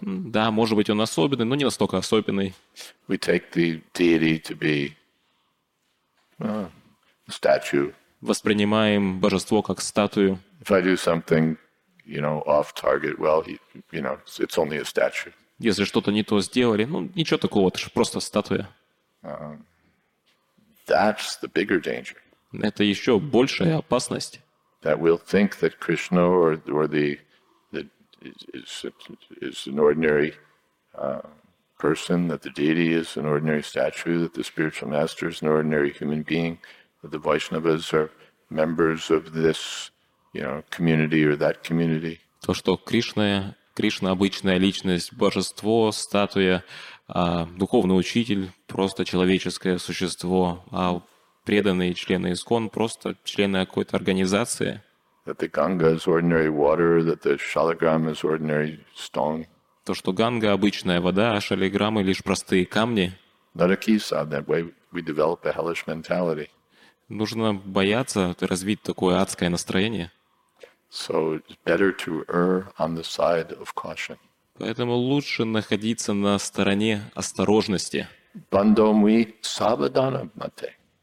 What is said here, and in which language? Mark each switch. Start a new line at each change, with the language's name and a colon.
Russian: Да, может быть, он особенный, но не настолько особенный.
English: We take the deity to be a statue.
Russian: Воспринимаем божество как статую.
English: If I do something, you know, off target, well, you know, it's only a statue.
Russian: Если что-то не то сделали, ничего такого, это же просто статуя.
English: That's the bigger danger.
Russian: Это еще большая опасность.
English: That we'll think that Krishna or the is an ordinary person, that the deity is an ordinary statue, that the spiritual master is an ordinary human being, that the Vaishnavas are members of this, you know, community or that community.
Russian: То, что Кришна обычная личность, божество, статуя, духовный учитель, просто человеческое существо, а преданные члены ИСККОН, просто члены какой-то организации.
English: That the Ganga is ordinary water, that the Shaligram is ordinary stone.
Russian: То, что Ганга — обычная вода, а Шалиграмы — лишь простые камни.
English: Nadakisa, that way we develop a hellish mentality.
Russian: Нужно бояться развить такое адское настроение.
English: So it's better to err on the side of caution.
Russian: Поэтому лучше находиться на стороне осторожности.
Sanskrit: Бандомуи савадана мате.